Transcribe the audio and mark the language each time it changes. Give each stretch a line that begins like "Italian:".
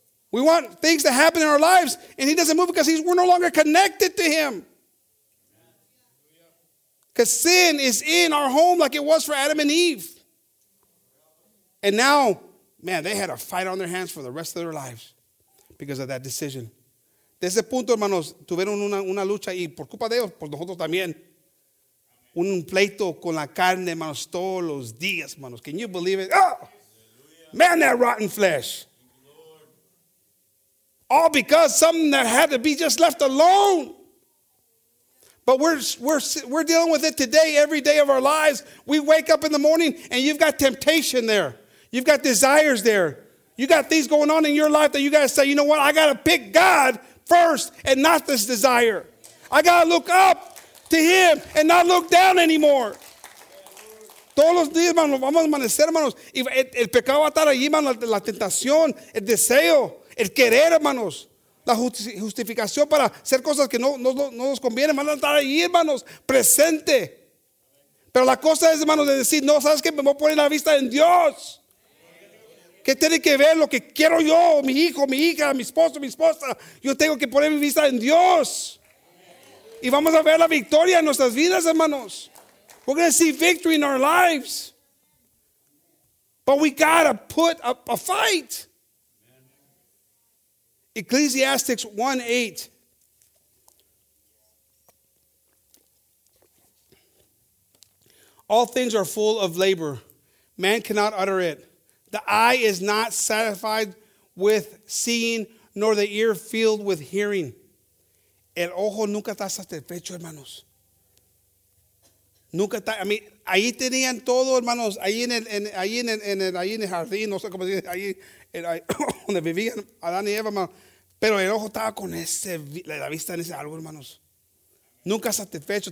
English: We want things to happen in our lives, and he doesn't move because we're no longer connected to him. Because sin is in our home like it was for Adam and Eve. And now, man, they had a fight on their hands for the rest of their lives because of that decision.
Spanish: De ese punto, hermanos, tuvieron una lucha y por culpa de ellos, por nosotros también. Un pleito con la carne, hermanos, todos los días, hermanos.
English: Can you believe it? Oh! Man, that rotten flesh. All because something that had to be just left alone. But we're dealing with it today, every day of our lives. We wake up in the morning and you've got temptation there. You've got desires there. You got things going on in your life that you got to say, you know what? I got to pick God first and not this desire. I got to look up to him and not look down anymore.
Spanish: Todos los días, hermanos, vamos a amanecer, hermanos. El pecado va a estar allí, hermanos, la tentación, el deseo, el querer, hermanos. La justificación para hacer cosas que no nos conviene, van a estar ahí, hermanos, presente. Pero la cosa es, hermanos, de decir, no, ¿sabes qué? Me voy a poner la vista en Dios. ¿Qué tiene que ver lo que quiero yo, mi hijo, mi hija, mi esposo, mi esposa? Yo tengo que poner mi vista en Dios. Y vamos a ver la victoria en nuestras vidas, hermanos.
English: We're going to see victory in our lives. But we got to put up a fight. Ecclesiastes 1:8. All things are full of labor. Man cannot utter it. The eye is not satisfied with seeing, nor the ear filled with hearing.
Spanish: El ojo nunca está satisfecho, hermanos. Nunca está,
English: I mean,
Spanish: ahí tenían todo, hermanos, ahí en el jardín, no sé cómo decir, ahí donde vivían Adán y Eva, hermanos. Pero el ojo estaba con ese, la vista en ese árbol, hermanos. Nunca satisfecho.